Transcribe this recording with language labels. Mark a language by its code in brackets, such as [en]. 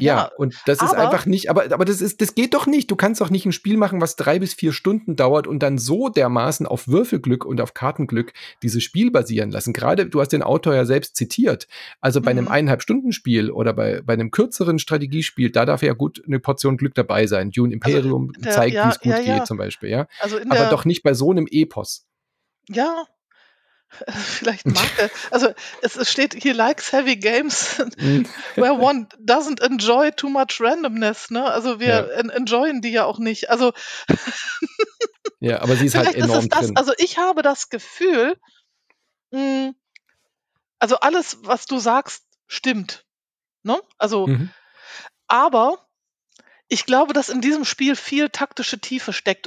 [de] Ja, und das ist einfach nicht, aber das geht doch nicht. Du kannst doch nicht ein Spiel machen, was 3 bis 4 Stunden dauert und dann so dermaßen auf Würfelglück und auf Kartenglück dieses Spiel basieren lassen. Gerade, du hast den Autor ja selbst zitiert. Also bei einem 1,5-Stunden-Spiel oder bei einem kürzeren Strategiespiel, da darf ja gut eine Portion Glück dabei sein. Dune Imperium zeigt, wie es gut geht zum Beispiel. Ja? Also aber doch nicht bei so einem Epos. Ja, vielleicht mag er. Also es steht hier, [en] likes heavy games where one doesn't enjoy too much randomness. [de] Ne? Also wir [en] enjoyen [de] die ja auch nicht. Also ja, aber sie ist vielleicht halt enorm ist das, drin. Also ich habe das Gefühl, also alles, was du sagst, stimmt. Ne? Also, aber ich glaube, dass in diesem Spiel viel taktische Tiefe steckt.